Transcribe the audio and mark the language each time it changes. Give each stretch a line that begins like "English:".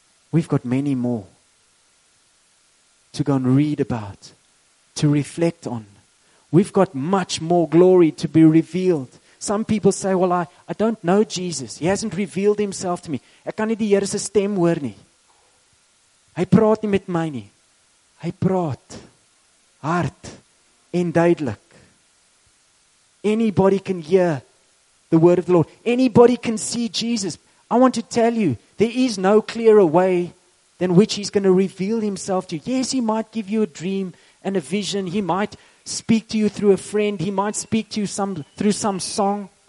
English: We've got many more to go and read about, to reflect on. We've got much more glory to be revealed. Some people say, well, I don't know Jesus. He hasn't revealed himself to me.
Afrikaans: Ek kan nie die Here se stem hoor nie. Hy praat nie met my nie. Hy praat hard en duidelik.
English: Anybody can hear the word of the Lord. Anybody can see Jesus. I want to tell you, there is no clearer way than which he's going to reveal himself to you. Yes, he might give you a dream and a vision. He might speak to you through a friend. He might speak to you through some song.